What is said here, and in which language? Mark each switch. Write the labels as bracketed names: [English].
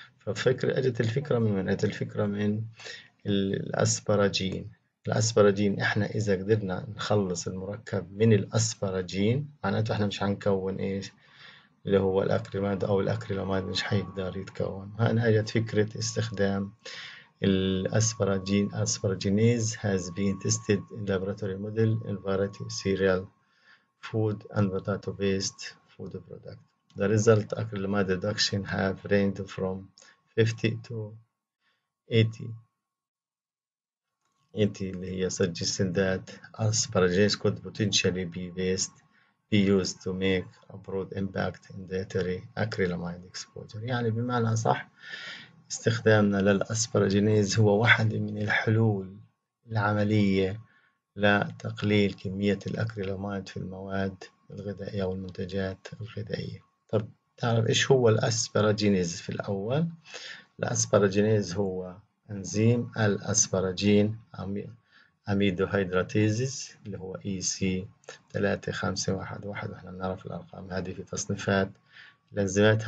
[Arabic] الفكرة من وين؟ اجت الفكرة من الأسبراجين. الأسبراجين احنا إذا قدرنا نخلص المركب من الأسبراجين، معناته احنا مش هنكون ايش اللي هو الأكريلامايد، أو الأكريلامايد مش هيقدر يتكون. هنا اجت فكرة استخدام الأسبراجين. [English] Asparaginase has been tested in laboratory model in variety cereal food and potato based food product. The result acrylamide reduction have ranged from 50 to 80. 80 [Arabic] اللي هي [English] suggesting that asparagines could potentially be used to make a broad impact in dietary acrylamide exposure. [Arabic] يعني بمعنى صح، استخدامنا للأسبرجينيز هو واحد من الحلول العملية لتقليل كمية الأكريلامايد في المواد الغذائية والمنتجات الغذائية. طب تعرف إيش هو الأسبرجينيز في الأول؟ الأسبرجينيز هو إنزيم الأسبرجين أميدو هيدراتيزيز اللي هو EC3511، وإحنا نعرف الأرقام هذه في تصنيفات الانزيمات.